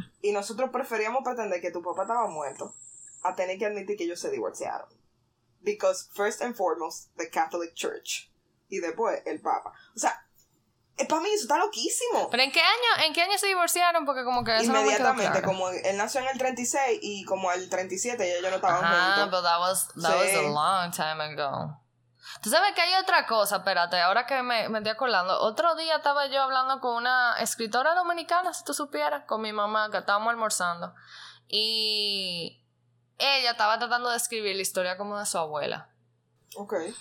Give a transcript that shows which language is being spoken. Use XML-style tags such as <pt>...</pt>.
<es>Y nosotros preferíamos pretender que tu papá estaba muerto a tener que admitir que ellos se divorciaron.</es> <en>Because, first and foremost, the Catholic Church.</en> <es>Y después, el Papa. O sea... Para mí eso está loquísimo. ¿Pero en qué año se divorciaron? Porque como que eso inmediatamente, no claro. Como él nació en el 36 y como el 37 y ellos no estaban juntos. Ah, pero</es> <en>that was a long time ago.</en> <es>Tú sabes que hay otra cosa, espérate, ahora que me estoy acordando. Otro día estaba yo hablando con una escritora dominicana, si tú supieras, con mi mamá, que estábamos almorzando. Y ella estaba tratando de escribir la historia como de su abuela. Ok.</es>